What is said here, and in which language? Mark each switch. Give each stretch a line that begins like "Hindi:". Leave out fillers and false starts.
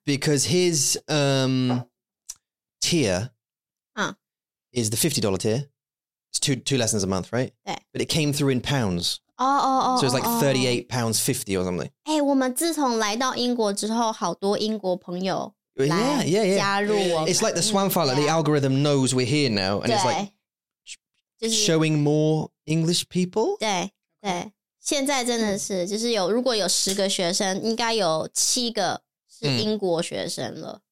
English: Because his tier. Is the $50 tier. It's two lessons a month, right? Yeah. But it came through in pounds. Oh. So it's like £38.50 or something.
Chinese: Hey, 我们自从来到英国之后，好多英国朋友加入我们。
English: It's like the Swanfile, the algorithm knows we're here now. And it's like showing more English people.
Chinese: 对，现在真的是，就是有，如果有10个学生，应该有7个是英国学生了。